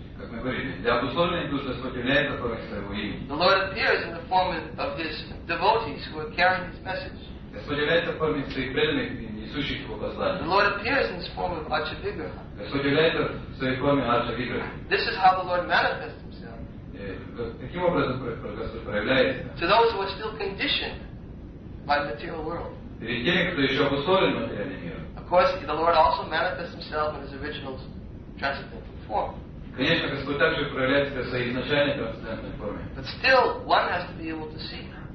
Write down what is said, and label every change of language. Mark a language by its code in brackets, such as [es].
[en] The Lord appears in the form of his devotees who are carrying his message. The Lord appears in the form of Acha-Vigraha. This is how the Lord manifests himself. To those who are still conditioned by the material world. [ru] Перед теми, кто еще обусловлен материальным миром. [en] Of course, the Lord also manifests himself in his original transcendental form. [ru] Конечно, Господь также проявляется в своей изначальной трансцендентной форме. [en] But still, one has to be able to see.